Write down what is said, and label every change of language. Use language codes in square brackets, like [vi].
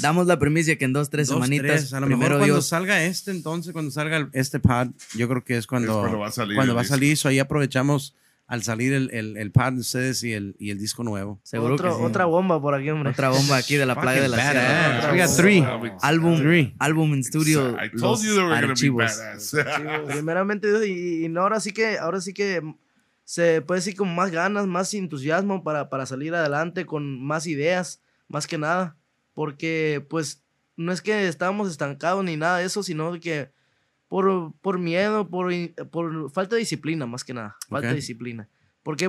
[es] Damos la primicia que en 2-3 semanitas. A lo primero mejor cuando Dios. Salga este, entonces, cuando salga este pad, yo creo que es cuando va a salir. Eso ahí aprovechamos. Al salir el pad de ustedes y el disco nuevo. Seguro otro, que sí. Otra bomba por aquí, hombre. Otra bomba aquí de la plaga de la sierra. [en] We got three. Album in studio. I told you they were going to be badass. [es] Primeramente, y no, ahora sí que se puede decir con más ganas, más entusiasmo para salir adelante, con más ideas, más que nada. Porque, pues, no es que estábamos estancados ni nada de eso, sino que... Por miedo, por falta de disciplina, más que nada. Falta de disciplina. ¿Por qué?